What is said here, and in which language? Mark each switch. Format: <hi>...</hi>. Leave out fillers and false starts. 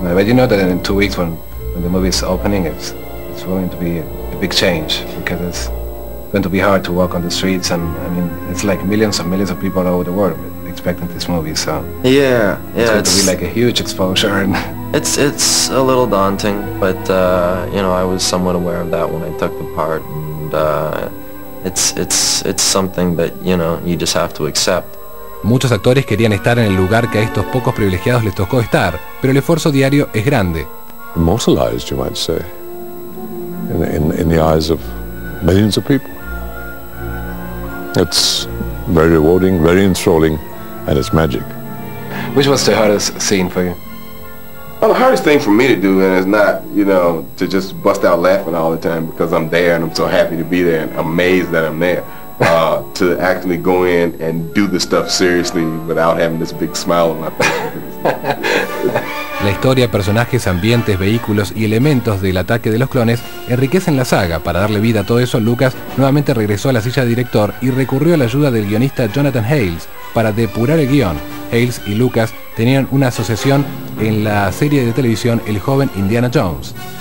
<en>But you know that in 2 weeks when the movie is opening, it's going to be a big change, because it's going to be hard to walk on the streets, and I mean, it's like millions and millions of people all over the world expecting this movie, so yeah, it's going to be like a huge exposure. And it's a little daunting, but you know, I was somewhat aware of that when I took the part, and it's something that, you know, you just have to accept.</en> <es>Muchos actores querían estar en el lugar que a estos pocos privilegiados les tocó estar, pero el esfuerzo diario es grande.</es> <en>Immortalized, you might say, in the eyes of millions of people. It's very rewarding, very enthralling, and it's magic. Which was the hardest scene for you? Well, the hardest thing for me to do, and it's not, you know, to just bust out laughing all the time because I'm there and I'm so happy to be there and amazed that I'm there, to actually go in and do the stuff seriously without having this big smile on my face.</en> <es>La historia, personajes, ambientes, vehículos y elementos del ataque de los clones enriquecen la saga. Para darle vida a todo eso, Lucas nuevamente regresó a la silla de director y recurrió a la ayuda del guionista Jonathan Hales para depurar el guión. Hales y Lucas tenían una asociación en la serie de televisión El Joven Indiana Jones.</es>